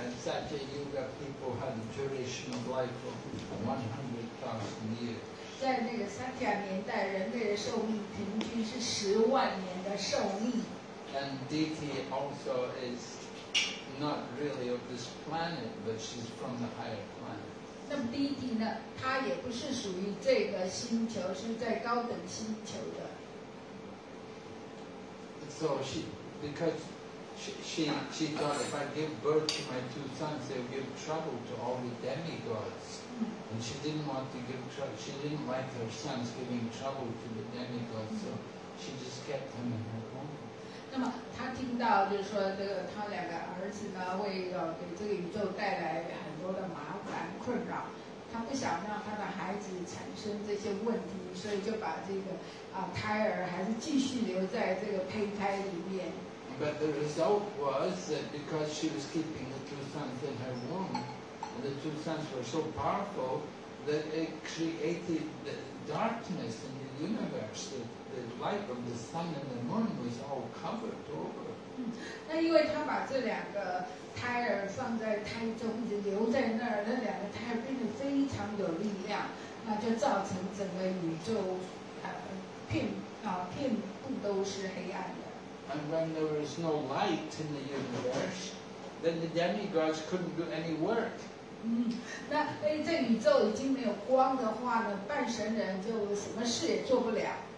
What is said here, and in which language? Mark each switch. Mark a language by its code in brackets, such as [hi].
[en] And Satya Yuga people had a duration of life of 100,000 years. [zh] 在那个 Satya 年代，人类的寿命平均是100,000年的寿命。 [en] And Diti also is not really of this planet, but she's from the higher planet. [zh] 那么弟弟呢，他也不是属于这个星球，是在高等星球的。 [en] So she, because she thought if I give birth to my two sons, they'll give trouble to all the demigods. And she didn't want to give trouble. She didn't like her sons giving trouble to the demigods, so she just kept them in her womb. [zh] 那么他听到就是说，这个他两个儿子呢，会给这个宇宙带来很多的麻烦。困扰，他不想让他的孩子产生这些问题，所以就把这个胎儿还是继续留在这个胚胎里面。 [en] But the result was that because she was keeping the two sons in her womb, and the two sons were so powerful that it created the darkness in the universe. The light of the sun and the moon was all covered over. [zh] 那因为他把这两个胎儿放在胎中，就留在那儿，那两个胎变得非常有力量，那就造成整个宇宙，遍布都是黑暗的。 [en] And when there was no light in the universe, then the demigods couldn't do any work. [zh] 那哎，这宇宙已经没有光的话呢，半神人就什么事也做不了。